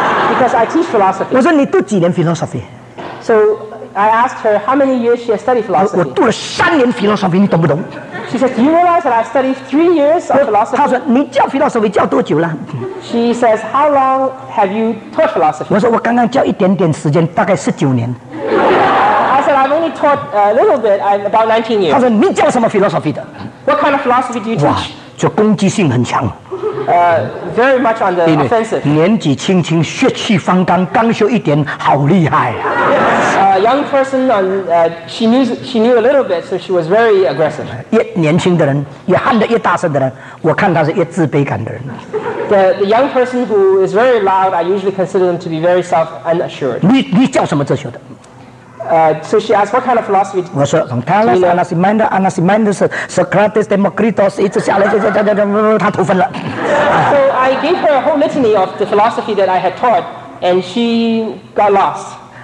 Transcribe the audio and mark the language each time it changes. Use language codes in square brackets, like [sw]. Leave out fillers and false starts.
[en] Because I teach philosophy. [zh] 我说你读几年 philosophy? [en] So I asked her how many years she has studied philosophy. [zh] 我读了3年 philosophy, 你懂不懂? [en] She says, do you realize that I studied 3 years of philosophy? [zh] 她说,你教 philosophy 教多久了? [en] She says, how long have you taught philosophy? [zh] 我说,我刚刚教一点点时间,大概19年。 [en] I said, I've only taught a little bit, about 19 years. [zh] 他说你教什么 philosophy 的？ [en] What kind of philosophy do you teach? [zh] 这攻击性很强。 [en] Very much on the offensive. [zh] 年纪轻轻，血气方刚，刚修一点，好厉害啊！ [en] Young person, she knew a little bit, so she was very aggressive. [zh] 越年轻的人，越喊得越大声的人，我看他是越自卑感的人。 [en] The young person who is very loud, I usually consider them to be very self unassured. [zh] 你教什么哲学的？ [en] So she asked, what kind of philosophy? [zh] 我说从泰勒、阿纳西曼德、阿纳西曼德是 Socrates、Democritus 一直下来，他吐分了。 [en] So I gave her a whole litany of the philosophy that I had taught, and she got lost.